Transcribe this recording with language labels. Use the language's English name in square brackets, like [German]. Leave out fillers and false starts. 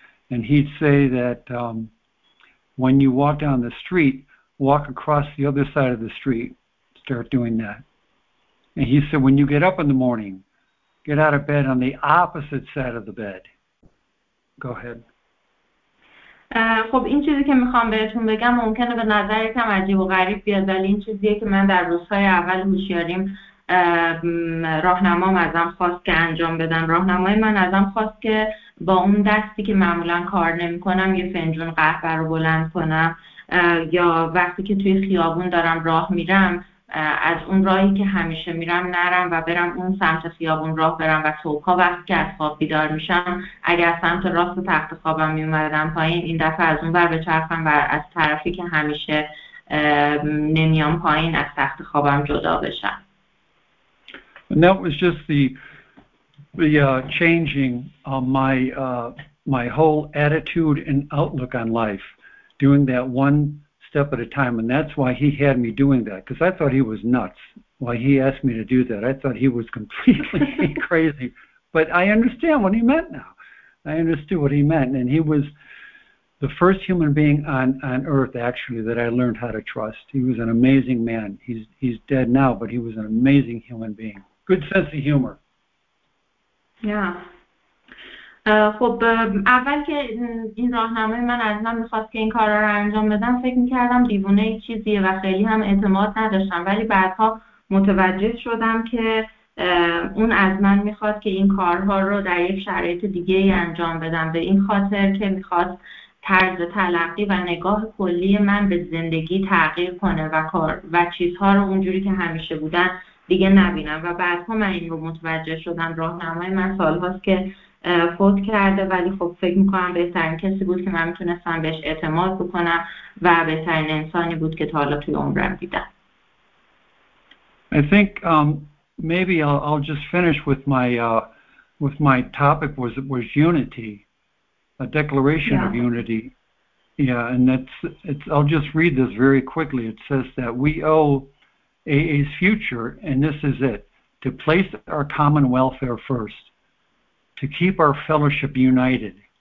[English] And he'd say that when you walk down the street, walk across the other side of the street, start doing that. And he said, when you get up in the morning, get out of bed on the opposite side of the bed. Go ahead. [Persian] خب این چیزی که میخوام بهتون بگم ممکنه به نظرتم عجیب و غریب بیاد، ولی این چیزیه که من در روزهای اول هوشیاریم راهنمام ازم خواست که انجام بدم. راهنمای من ازم خواست که با اون دستی که معمولا کار نمیکنم یه فنجون قهوه رو بلند کنم، یا وقتی که توی خیابون دارم راه میرم از اون راهی که همیشه میرم نرم و برم اون سمت خیابون راه برم، و صبحا وقتی که از خواب بیدار میشم اگر سمت راست تخت خوابم میومدم پایین، این دفعه از اون ور بچرخم و از طرفی که همیشه نمیام پایین از تخت خوابم جدا بشم. [English] And that was just the changing my whole attitude and outlook on life, doing that one step at a time. And that's why he had me doing that, because I thought he was nuts. Why he asked me to do that, I thought he was completely crazy. But I understand what he meant now. I understood what he meant, and he was the first human being on earth actually that I learned how to trust. He was an amazing man. He's dead now, but he was an amazing human being. Good sense of humor. Yeah. [Persian] خب اول که این راهنمای من از من میخواست که این کارا رو انجام بدم، فکر میکردم دیوونه ای چیزیه و خیلی هم اعتماد نداشتم، ولی بعدها متوجه شدم که اون از من میخواد که این کارها رو در یک شرایط دیگه ای انجام بدم، به این خاطر که میخواد طرز تلقی و نگاه کلی من به زندگی تغییر کنه و کار و چیزها رو اونجوری که همیشه بودن دیگه نبینم. و بعدها من این رو متوجه شدم. راهنمای من سالهاست که فوت کرده، ولی خب فکر میکنم بهترین کسی بود که من میتونستم بهش اعتماد بکنم و بهترین انسانی بود که تا حالا توی عمرم دیدم. [English] I think maybe I'll just finish with my topic was unity. a declaration of unity. Yeah, and it's I'll just read this very quickly. It says that we owe AA's future, and this is it, to place our common welfare first, to keep our fellowship united.